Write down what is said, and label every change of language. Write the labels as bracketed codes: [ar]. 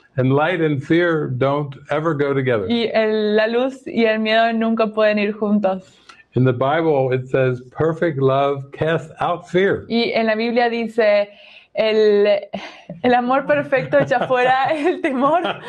[en] And light and fear don't ever go together. [es] Y la luz y el miedo nunca pueden ir juntos. [en] In the Bible it says perfect love casts out fear. [es] Y en la Biblia dice el amor perfecto echa fuera el temor.